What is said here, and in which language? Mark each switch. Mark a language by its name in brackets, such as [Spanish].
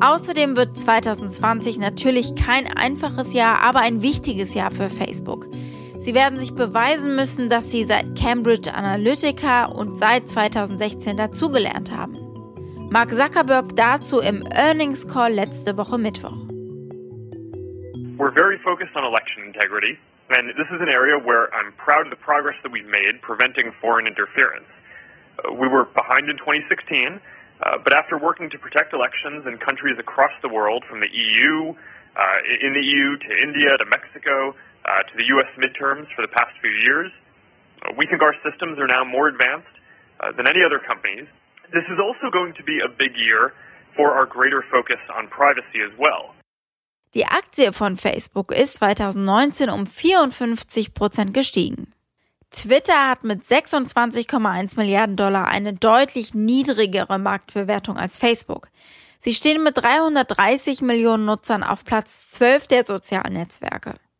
[German] Außerdem wird 2020 natürlich kein einfaches Jahr, aber ein wichtiges Jahr für Facebook. Sie werden sich beweisen müssen, dass sie seit Cambridge Analytica und seit 2016 dazugelernt haben. Mark Zuckerberg dazu im Earnings Call letzte Woche Mittwoch. [English] We're very focused on election integrity, and this is an area where I'm proud of the progress that we've made preventing foreign interference. We were behind in 2016, but after working to protect elections in countries across the world, from the EU, in the EU to India to Mexico, to the U.S. midterms for the past few years, we think our systems are now more advanced than any other companies. This is also going to be a big year for our greater focus on privacy as well. [German] Die Aktie von Facebook ist 2019 um 54% gestiegen. Twitter hat mit 26,1 Milliarden Dollar eine deutlich niedrigere Marktbewertung als Facebook. Sie stehen mit 330 Millionen Nutzern auf Platz 12 der sozialen Netzwerke.